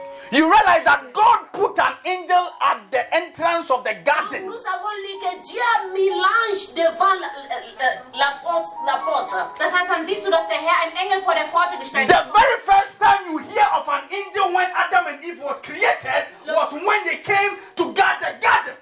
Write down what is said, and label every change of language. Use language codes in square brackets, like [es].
[en] You realize that God put an angel at the entrance of the garden. [fr] Nous avons lu que Dieu a mis l'ange devant la force, la porte. [de] Das heißt, dann siehst du, dass der Herr einen Engel vor der Pforte gestellt. [en] The very first time you hear of an angel when Adam and Eve was created was when they came to guard the garden.